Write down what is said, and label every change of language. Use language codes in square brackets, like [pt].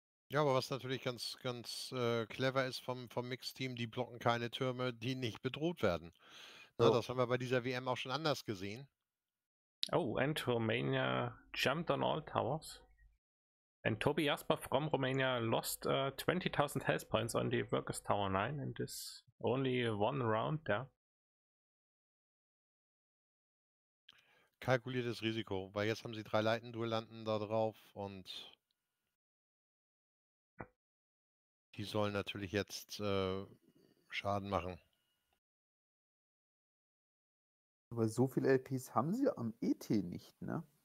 [de] Ja, aber was natürlich ganz, ganz clever ist vom Mixteam, die blocken keine Türme, die nicht bedroht werden. Na, oh. Das haben wir bei dieser WM auch schon anders gesehen. [en] Oh, and Romania jumped on all towers. And Toby Jasper from Romania lost 20.000 health points on the Workers Tower 9 in this only one round there. [de] Kalkuliertes Risiko, weil jetzt haben sie drei Leitenduellanten da drauf und die sollen natürlich jetzt Schaden machen. Aber so viele LPs haben sie am ET nicht, ne?